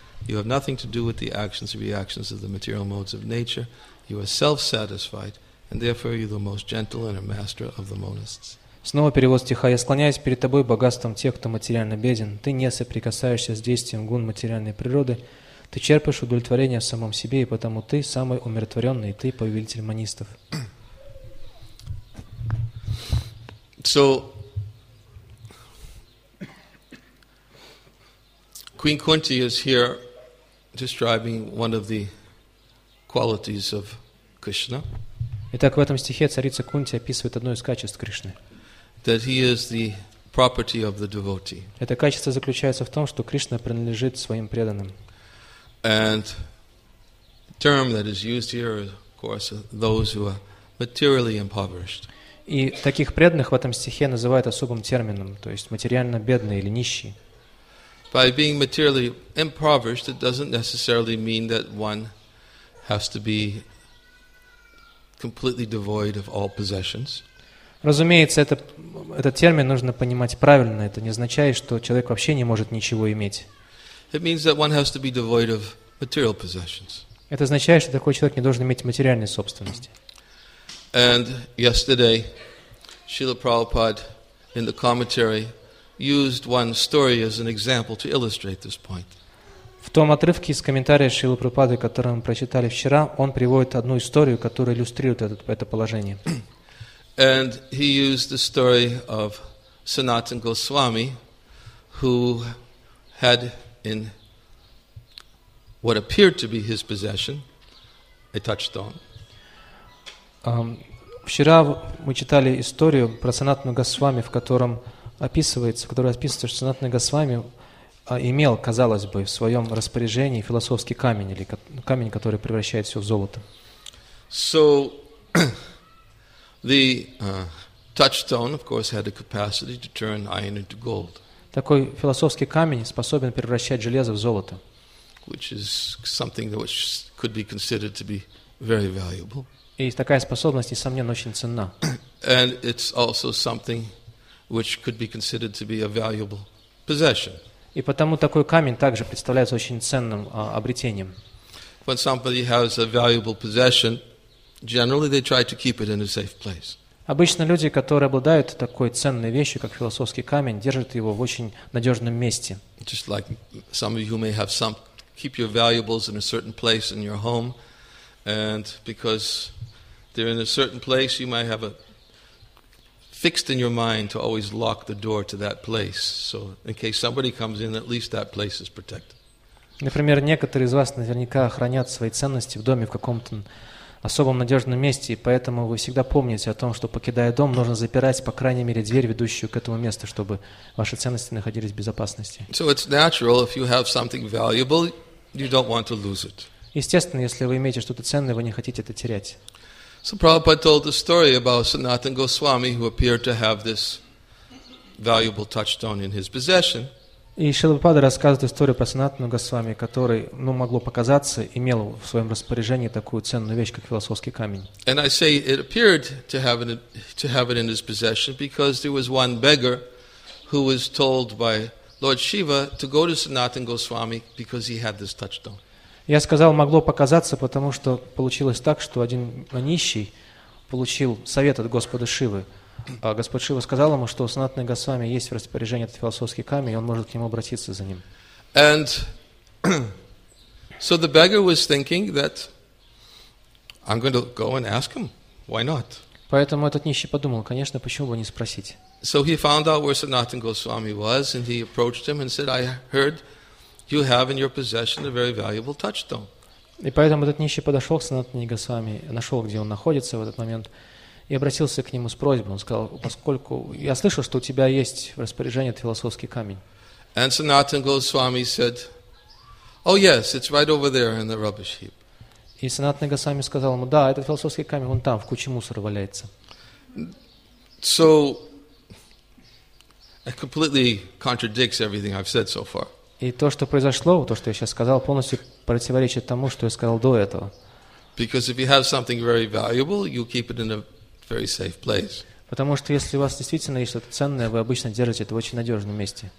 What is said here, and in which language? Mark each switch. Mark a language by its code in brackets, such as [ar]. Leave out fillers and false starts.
[en] You have nothing to do with the actions and reactions of the material modes of nature. You are self-satisfied, and therefore you are the most gentle and a master of the monists. [ru] Снова перевод стиха. Я склоняюсь перед тобой богатством тех, кто материально беден. Ты не соприкасаешься с действием гун материальной природы. Ты черпаешь удовлетворение в самом себе, и потому ты самый умиротворенный, и ты повелитель монистов. [en] So, Queen Kunti is here describing one of the qualities of Krishna. [ru] Итак, в этом стихе царица Кунти описывает одно из качеств Кришны. [en] That he is the property of the devotee. [ru] Это качество заключается в том, что Кришна принадлежит своим преданным. [en] And the term that is used here, of course, those who are materially impoverished. [ru] И таких преданных в этом стихе называют особым термином, то есть материально бедные или нищие. [en] By being materially impoverished, it doesn't necessarily mean that one has to be completely devoid of all possessions. [ru] Разумеется, этот термин нужно понимать правильно. Это не означает, что человек вообще не может ничего иметь. [en] It means that one has to be devoid of material possessions. [ru] Это означает, что такой человек не должен иметь материальной собственности. [en] And yesterday, Srila Prabhupada in the commentary used one story as an example to illustrate this point. [ru] В том отрывке из комментария Шрилы Прабхупады, который мы прочитали вчера, он приводит одну историю, которая иллюстрирует это положение. [en] And he used the story of Sanatan Goswami, who had in what appeared to be his possession a touchstone. [ru] Вчера мы читали историю про Санатану Госвами, в котором описывается, который описывается, что Санатана Госвами имел, казалось бы, в своем распоряжении философский камень, или камень, который превращает все в золото. [en] So, the touchstone, of course, had the capacity to turn iron into gold. [ru] Такой философский камень способен превращать железо в золото. [en] Which is something that could be considered to be very valuable. [ru] И такая способность, несомненно, очень ценна. [en] And it's also something which could be considered to be a valuable possession. [ru] И потому такой камень также представляется очень ценным обретением. [en] When somebody has a valuable possession, generally they try to keep it in a safe place. [ru] Обычно люди, которые обладают такой ценной вещью, как философский камень, держат его в очень надежном месте. [en] Just like some of you may have some, keep your valuables in a certain place in your home, and because they're in a certain place, you might have a fixed in your mind to always lock the door to that place. So in case somebody comes in, at least that place is protected. [ru] Например, некоторые из вас наверняка хранят свои ценности в доме в каком-то особом надежном месте, и поэтому вы всегда помните о том, что покидая дом, нужно запирать, по крайней мере, дверь, ведущую к этому месту, чтобы ваши ценности находились в безопасности. [en] So it's natural, if you have something valuable, you don't want to lose it. [ru] Естественно, если вы имеете что-то ценное, вы не хотите это терять. [en] So Prabhupada told the story about Sanatana Goswami, who appeared to have this valuable touchstone in his possession. [ru] И Шрила Прабхупада рассказывает историю про Санатану Госвами, который, ну, могло показаться, имел в своем распоряжении такую ценную вещь, как философский камень. [en] And I say it appeared to have it in his possession because there was one beggar who was told by Lord Shiva to go to Sanatana Goswami because he had this touchstone. [ru] Я сказал, могло показаться, потому что получилось так, что один нищий получил совет от Господа Шивы. А Господь Шива сказал ему, что у Санатаны Госвами есть в распоряжении этот философский камень, и он может к нему обратиться за ним. [en] And so the beggar was thinking that I'm going to go and ask him. Why not? [ru] Поэтому этот нищий подумал, конечно, почему бы не спросить. [en] So he found out where Sanatana Goswami was, and he approached him and said, I heard you have in your possession a very valuable touchstone. [ru] И поэтому этот нищий подошел к Санатане Госвами, нашел, где он находится в этот момент, и обратился к нему с просьбой. Он сказал, поскольку я слышал, что у тебя есть в распоряжении этот философский камень. [en] And Sanatana Goswami said, oh yes, it's right over there in the rubbish heap. [ru] И Санатана Госвами сказал ему, да, этот философский камень, вон там, в куче мусора валяется. [en] So, it completely contradicts everything I've said so far. [ru] И то, что произошло, то, что я сейчас сказал, полностью противоречит тому, что я сказал до этого. [en] Because if you have something very valuable, you keep it in a very safe place. [ru] Потому что если у вас действительно есть что-то ценное, вы обычно держите это в очень надежном месте.